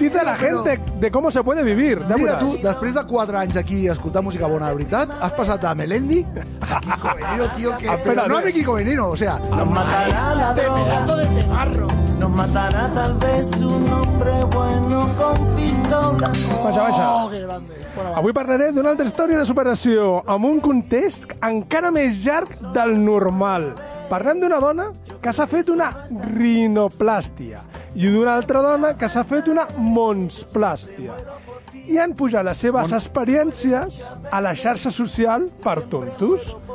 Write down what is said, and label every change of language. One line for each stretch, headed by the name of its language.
Spanish: dice la gente de cómo se puede vivir.
Catalan: Mira, tu, després de 4 anys aquí escoltant música bona de veritat, has passat a Melendi, a Kiko Veneno, tío, que...
Spanish: Pero no a mi Kiko Veneno, o sea... Nos matará la droga. ¡Pedazo de temarro! Nos matará tal vez un hombre bueno con pintura.
Catalan: Baixa, baixa.
Spanish: Oh, qué grande.
Catalan: Avui parlaré d'una altra història de superació amb un context encara més llarg del normal. Parlem d'una dona que s'ha fet una rinoplàstia i d'una altra dona que s'ha fet una monsplàstia. I han pujat les seves experiències a la xarxa social per tontos.